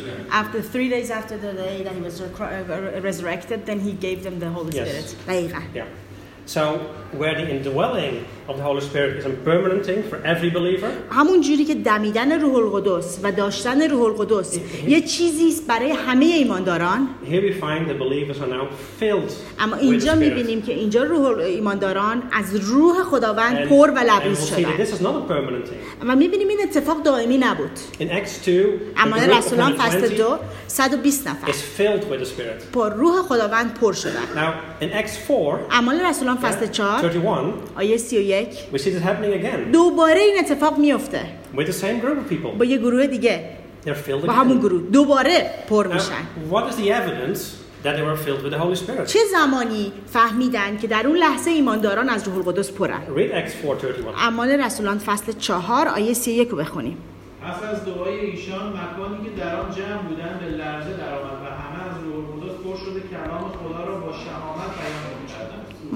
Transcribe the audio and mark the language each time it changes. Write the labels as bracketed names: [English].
[English] After 3 days after the day that he was resurrected, then he gave them the Holy Spirit. Yeah. So where the indwelling of the Holy Spirit is a permanent thing for every believer. [Persian] همون جوری که دمیدن روح القدس و داشتن روح القدس یه چیزی است برای همه ایمانداران. [English] Here we find the believers are now filled. [Persian] اما اینجا می‌بینیم که اینجا روح ایمانداران از روح خداوند پر و لبریز شدند. [English] We'll see that this is not a permanent thing. [Persian] اما می‌بینیم این اتفاق دائمی نبود. [English] In Acts 2, [Persian] اعمال رسولان فصل 2, 120 نفر [English] is filled with the Spirit. [Persian] پر روح خداوند پر شدند. [English] Now in Acts 4, [Persian] اعمال رسولان فصل 4, [English] 31, [Persian] آیه 31 [English] we see this happening again. [Persian] دوباره این اتفاق میفته. [English] With the same group of people. [Persian] با یه گروه دیگه. [English] They're filled again. [Persian] با همون گروه دوباره پر میشن. [English] What is the evidence that they were filled with the Holy Spirit? [Persian] چه زمانی فهمیدن که در اون لحظه ایمانداران از روح القدس پرن؟ [English] Read Acts 4:31. [Persian] اعمال رسولان فصل 4 آیه 31 رو بخونیم. پس از دعای ایشان مکانی که در آن جمع بودن به لرزه درآمد و همه از روح القدس پر شده کلام خدا را با شهامت بیان می‌کردند.